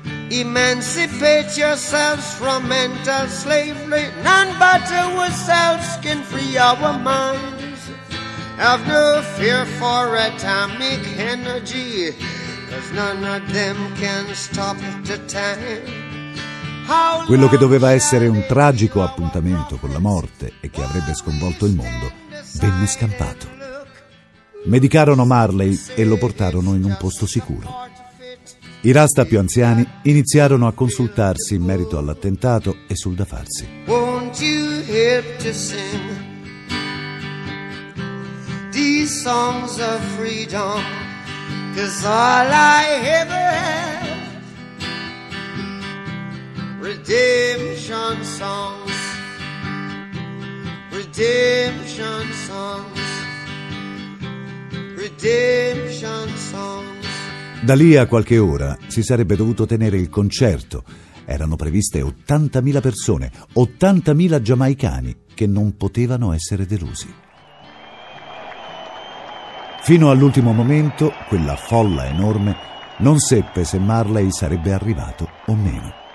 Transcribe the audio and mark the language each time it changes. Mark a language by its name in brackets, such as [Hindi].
[English] Emancipate yourselves from mental slavery. None but ourselves can free our minds. Have no fear for atomic energy, 'cause none of them can stop the time. [Italian] Quello che doveva essere un tragico appuntamento con la morte e che avrebbe sconvolto il mondo, venne scampato. Medicarono Marley e lo portarono in un posto sicuro. I Rasta più anziani iniziarono a consultarsi in merito all'attentato e sul da farsi. [English] Won't you help to sing these songs of freedom? 'Cause all I ever have, redemption songs, redemption songs, redemption songs. [Italian] Da lì a qualche ora si sarebbe dovuto tenere il concerto. Erano previste 80.000 persone, 80.000 giamaicani che non potevano essere delusi. Fino all'ultimo momento, quella folla enorme non seppe se Marley sarebbe arrivato o meno.